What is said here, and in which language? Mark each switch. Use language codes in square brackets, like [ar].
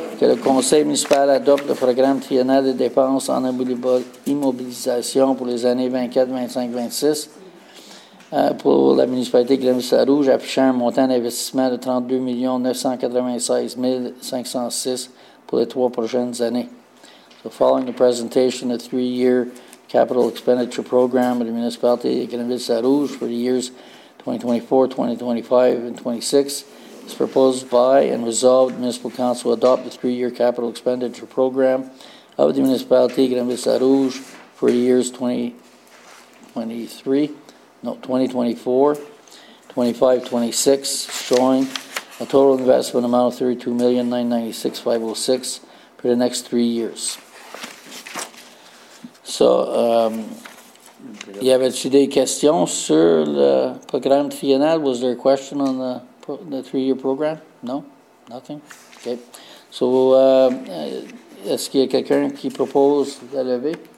[fr] Que le conseil municipal adopte le programme triennal de dépenses en immobilisation pour les années 2024-2025-2026. Pour la municipalité de Grimsta-Rouge, affichant un montant d'investissement de 32 996 506 pour les trois prochaines années. [en] So, following the presentation of the three-year capital expenditure program of the municipality de Grimsta-Rouge for the years 2024, 2025, and 2026, is proposed by and resolved the municipal council adopt the three-year capital expenditure program of the municipality de Grimsta-Rouge for the years 2025-26, showing a total investment amount of $32,996,506 for the next 3 years. [fr] So, y avait-tu des questions sur le programme triennal? [en] Was there a question on the three-year program? No? Nothing? Okay. [fr] So, est-ce qu'il y a quelqu'un qui propose de lever?